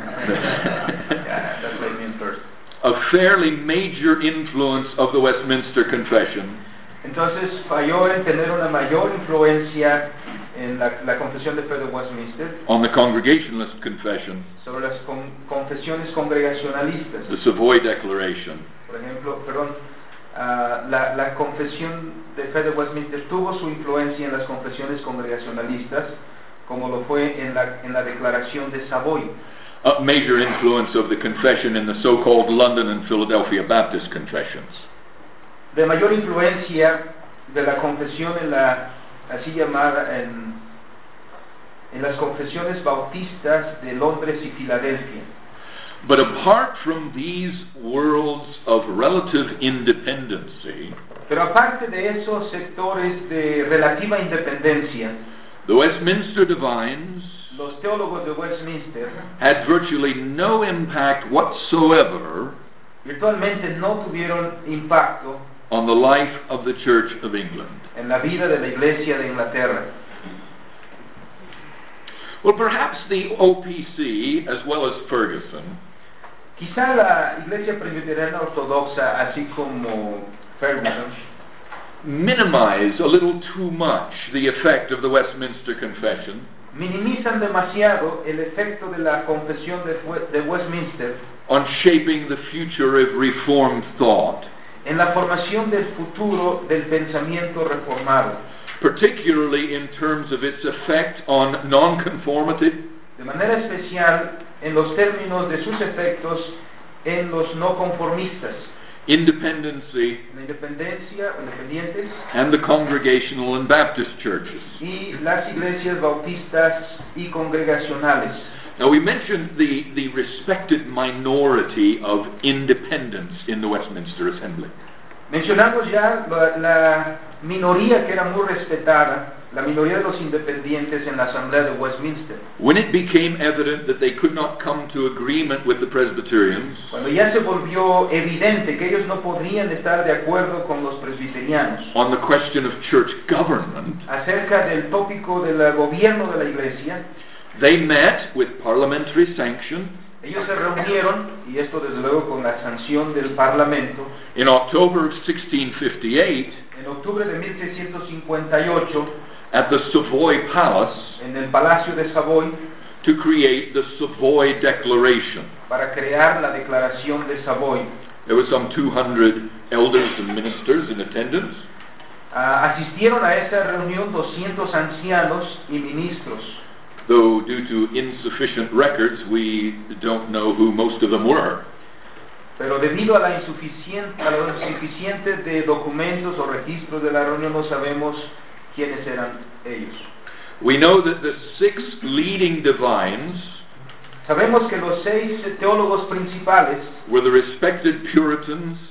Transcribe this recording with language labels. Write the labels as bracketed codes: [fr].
[en] a fairly major influence of the Westminster Confession. [es] Entonces falló en tener una mayor influencia en la confesión de fe de Westminster. [en] On the Congregationalist Confession. [es] Sobre las confesiones congregacionalistas. [en] The Savoy Declaration. [es] Por ejemplo, la confesión de fe de Westminster tuvo su influencia en las confesiones congregacionalistas, como lo fue en la declaración de Savoy. [en] A major influence of the confession in the so-called London and Philadelphia Baptist Confessions. [es] De mayor influencia de la confesión en la así llamada en las confesiones bautistas de Londres y Filadelfia. [en] But apart from these worlds of relative independency, [es] pero aparte de esos sectores de relativa independencia, [en] the Westminster divines, [es] los teólogos de Westminster, [en] had virtually no impact whatsoever, [es] virtualmente no tuvieron impacto, [en] on the life of the Church of England. [es] En la vida de la Iglesia de Inglaterra. [en] Well, perhaps the OPC, as well as Ferguson, [es] quizá la Iglesia Presbiteriana Ortodoxa, así como Ferguson, [en] minimize a little too much the effect of the Westminster Confession. [es] Minimizan demasiado el efecto de la confesión de Westminster [en] on shaping the future of Reformed thought. [es] En la formación del futuro del pensamiento reformado. [en] Particularly in terms of its effect on nonconformity. [es] De manera especial en los términos de sus efectos en los no conformistas. [en] Independency. [es] La independencia, independientes. [en] And the Congregational and Baptist churches. [es] Y las iglesias bautistas y congregacionales. [en] Now we mentioned the respected minority of independents in the Westminster Assembly. [es] Mencionamos ya la minoría que era muy respetada, la minoría de los independientes en la Asamblea de Westminster. [en] When it became evident that they could not come to agreement with the Presbyterians, [es] cuando ya se volvió evidente que ellos no podrían estar de acuerdo con los presbiterianos, [en] on the question of church government, [es] acerca del tópico del gobierno de la Iglesia, [en] they met with parliamentary sanction. [es] Ellos se reunieron, y esto desde luego con la sanción del Parlamento. [en] In October of 1658. [es] En octubre de 1658. [en] At the Savoy Palace. [es] En el Palacio de Savoy. [en] To create the Savoy Declaration. [es] Para crear la Declaración de Savoy. [en] There were some 200 elders and ministers in attendance. [es] Asistieron a esa reunión 200 ancianos y ministros. [en] Though due to insufficient records, we don't know who most of them were. [es] Pero debido a lo insuficiente de documentos o registros de la reunión, no sabemos quiénes eran ellos. [en] We know that the six leading divines, [es] sabemos que los seis teólogos principales, [en] were the respected Puritans,